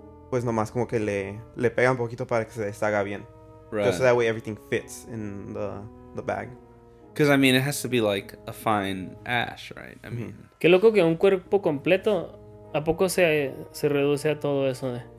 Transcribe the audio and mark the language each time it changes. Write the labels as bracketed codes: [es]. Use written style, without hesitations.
[es] Pues nomás como que le pega un poquito para que se deshaga bien. [en] Right. Just so that way everything fits in the bag. Because, I mean, it has to be, like, a fine ash, right? I mean... [es] Qué loco que un cuerpo completo, ¿a poco se reduce a todo eso?